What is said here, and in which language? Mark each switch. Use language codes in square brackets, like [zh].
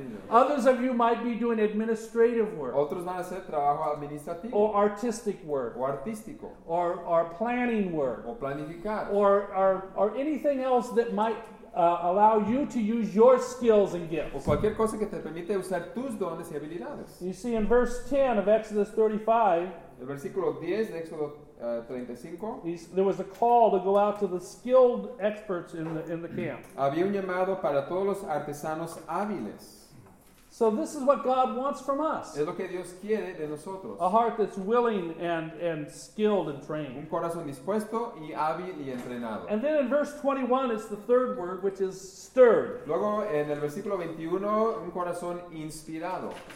[en] Others of you might be doing administrative work. [es] Otros van a hacer trabajo administrativo. [en] Or artistic work. [es] O artístico. [en] Or planning work. [es] O planificar. [en] Or anything else that might allow you to use your skills and gifts. [es] O cualquier cosa que te permite usar tus dones y habilidades. [en] You see, in verse 10 of Exodus 35, [es] el versículo 10 de Éxodo 35, [en] there was a call to go out to the skilled experts in the camp. [es] Había un llamado para todos los artesanos hábiles. [en] So this is what God wants from us. [es] Es lo que Dios quiere de nosotros. [en] A heart that's willing and skilled and trained. [es] Un corazón dispuesto y hábil y entrenado. [en] And then in verse 21, it's the third word, which is stirred. [es] Luego en el versículo 21, un corazón inspirado.